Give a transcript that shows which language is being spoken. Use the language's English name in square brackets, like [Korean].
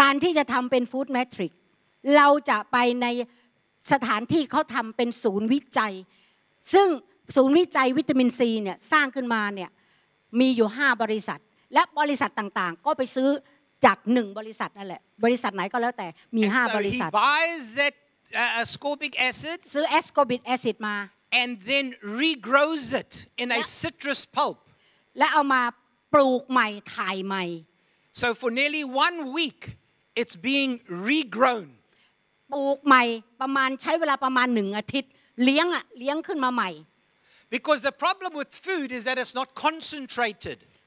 [Thai] การที่จะทำเป็นฟู้ดแมทริกซ์เราจะไปในสถานที่เขาทำเป็นศูนย์วิจัยซึ่งศูนย์วิจัยวิตามินซีเนี่ยสร้างขึ้นมาเนี่ยมีอยู่5บริษัทและบริษัทต่างๆก็ไปซื้อจาก1บริษัทนั่นแหละบริษัทไหนก็แล้วแต่มี5บริษัท [English] And so he buys that ascorbic acid [Thai] ซื้อ ascorbic acid มา [English] and then regrows it in a citrus pulp. [Thai] และเอามาปลูกใหม่ถ่ายใหม่ [English] So for nearly 1 week it's being regrown. [Thai] ปลูกใหม่ประมาณใช้เวลาประมาณ1อาทิตย์เลี้ยงอ่ะเลี้ยงขึ้นมาใหม่ [English] Because the problem with food is that it's not concentrated.